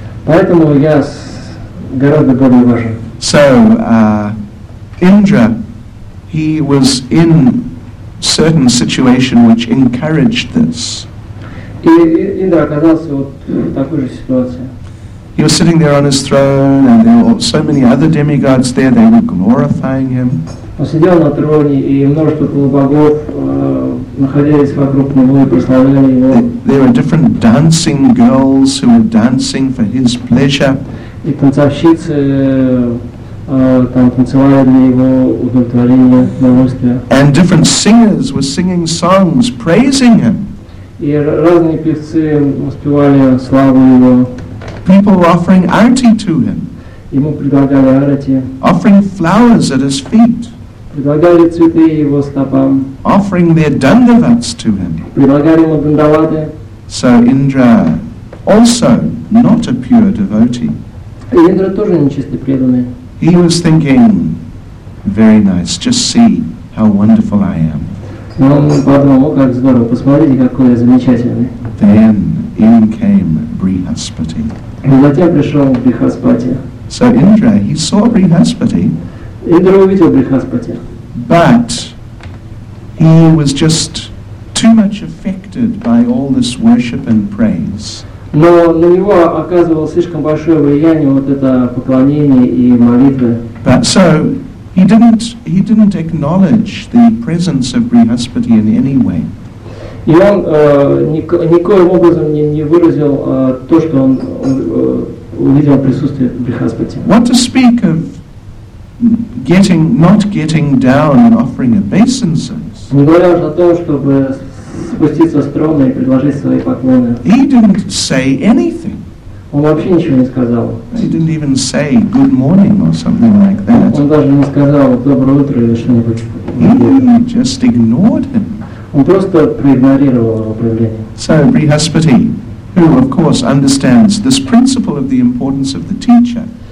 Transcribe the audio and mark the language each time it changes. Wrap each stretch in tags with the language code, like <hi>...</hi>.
<ru>Поэтому я гораздо более важен.</ru> <en>So, Indra, he was in certain situation which encouraged this.</en> <ru>И Индра оказался вот в такой же ситуации.</ru> <en>He was sitting there on his throne, and there were so many other demigods there, they were glorifying him.</en> <ru>Он сидел на троне, и множество полубогов находились вокруг него и прославляли его.</ru> <en>There were different dancing girls who were dancing for his pleasure.</en> <ru>И танцовщицы там танцевали для его удовлетворения, удовольствия.</ru> <en>And different singers were singing songs, praising him.</en> <ru>И разные певцы воспевали славу его.</ru> <en>People were offering arati to him.</en> <ru>Ему предлагали арати.</ru> <en>Offering flowers at his feet.</en> <ru>Предлагали цветы его стопам.</ru> <en>Offering their дандавадс to him.</en> <ru>Предлагали ему дандавады.</ru> <en>So Indra, also not a pure devotee.</en> <ru>И Индра тоже нечистый преданный.</ru> <en>He was thinking, very nice, just see how wonderful I am.</en> <ru>Но он подумал, о, как здорово, посмотрите, какой я замечательный.</ru> <en>Then in came Brihaspati.</en> <ru>И затем пришел Брихаспати.</ru> <en>So Indra, he saw Brihaspati.</en> <ru>Индра увидел Брихаспати.</ru> <en>But he was just too much affected by all this worship and praise.</en> <ru>Но на него оказывало слишком большое влияние вот это поклонение и молитвы.</ru> <en>But so he didn't acknowledge the presence of Brihaspati in any way.</en> <ru>И он никоим образом не выразил то, что он увидел присутствие Брихаспати.</ru> <en>What to speak of getting, not getting down and offering obeisances?</en> <ru>Не говоря уже о том, чтобы спуститься с трона и предложить свои поклоны.</ru> <en>He didn't say anything.</en> <ru>Он вообще ничего не сказал.</ru> <en>He didn't even say good morning or something like that.</en> <ru>Он даже не сказал доброе утро или что-нибудь.</ru> <en>He just ignored him.</en> <ru>Он просто проигнорировал его проявление.</ru> <en>So Brihaspati, who of course understands this principle of the importance of the teacher.</en>